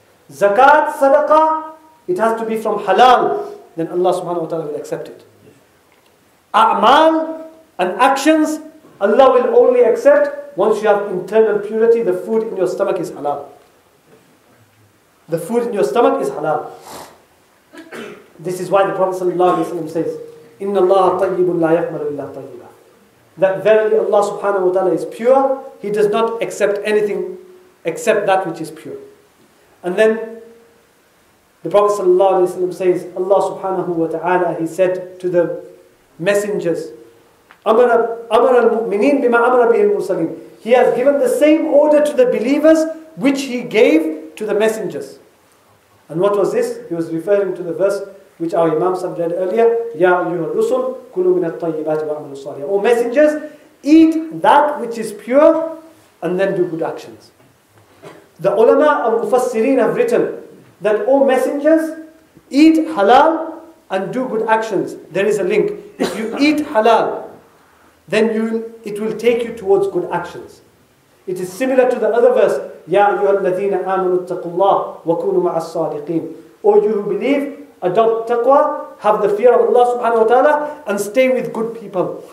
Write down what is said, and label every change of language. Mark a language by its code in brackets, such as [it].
[en] Zakat, sadaqah, it has to be from halal, then Allah subhanahu wa ta'ala will accept it. A'mal and actions, Allah will only accept once you have internal purity, the food in your stomach is halal. The food in your stomach is halal. This is why the Prophet ﷺ says, [ar] إِنَّ اللَّهَ طَيِّبٌ لَا يَقْمَلُ إِلَّا طَيِّبًا. [en] That verily Allah subhanahu wa ta'ala is pure, He does not accept anything except that which is pure. And then the Prophet ﷺ says, Allah subhanahu wa ta'ala, He said to the messengers, [ar] أمر المؤمنين بما أمر به المرسلين. [en] He has given the same order to the believers which He gave to the messengers. And what was this? He was referring to the verse which our Imam Sahib read earlier, [ar] يَا أَيُّهَا الرُّسُلُ كُلُوا مِنَ الطَّيِّبَاتِ وَأَمْلُوا الصَّالِحَةِ. [en] O messengers, eat that which is pure and then do good actions. The ulama of Mufassirin have written that, O messengers, eat halal and do good actions. There is a link. If you eat halal, then it will take you towards good actions. It is similar to the other verse, [ar] يَا أَيُّهَا الَّذِينَ آمَنُوا اتَّقُوا اللَّهِ وَكُونُوا مَعَ الصَّالِقِينَ. [en] O you who believe, adopt taqwa, have the fear of Allah subhanahu wa ta'ala, and stay with good people.